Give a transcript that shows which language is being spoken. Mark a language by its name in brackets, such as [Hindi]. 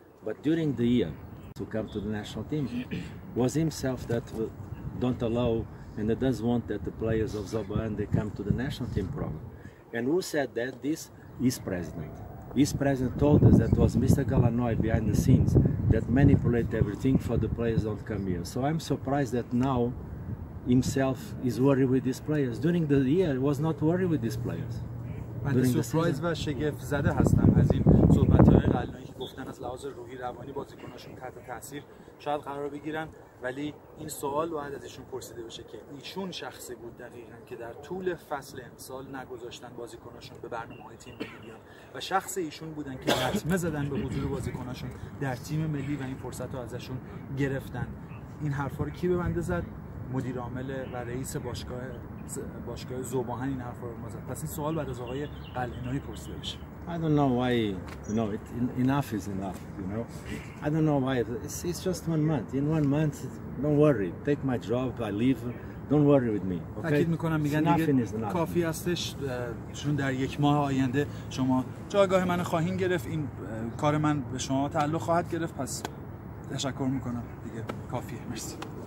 [English] But during the year to come to the national team was himself that don't allow and that doesn't want that the players of Zoboan they come to the national team program. And who said that? This is president. His president told us that was Mr. Galanoy behind the scenes that manipulated everything for the players don't come here. So I'm surprised that now himself is worried with these players. During the year, he was not worried with these players. [Persian] من سورپرایز و شگفت زده هستم از این صحبت های قلعه‌ای که گفتن از لحاظ روحی روانی بازیکناشون تحت تاثیر شاید قرار بگیرن، ولی این سوال باید ازشون پرسیده بشه که ایشون شخصی بود دقیقاً که در طول فصل امسال نگذاشتن بازیکناشون به برنامه های تیم ملی بیان و شخص ایشون بودن که لطمه زدن به حضور بازیکناشون در تیم ملی و این فرصت رو ازشون گرفتن. این حرفا رو کی به بنده زد؟ مدیر عامل و رئیس باشگاه زوباهن این حرف رو مزد. پس این سوال بعد از آقای قلعه‌ای پرسیده بشه. [English] I don't know why, you know, enough is enough, you know. I don't know why, it's just 1 month. In 1 month, don't worry, take my job, I leave, don't worry with me, okay? [Persian] تأکید میکنم میگن دیگه کافی هستش، چون در یک ماه آینده شما جایگاه من خواهین گرفت، این کار من به شما تعلق خواهد گرفت، پس تشکر میکنم، دیگه کافیه، مرسی.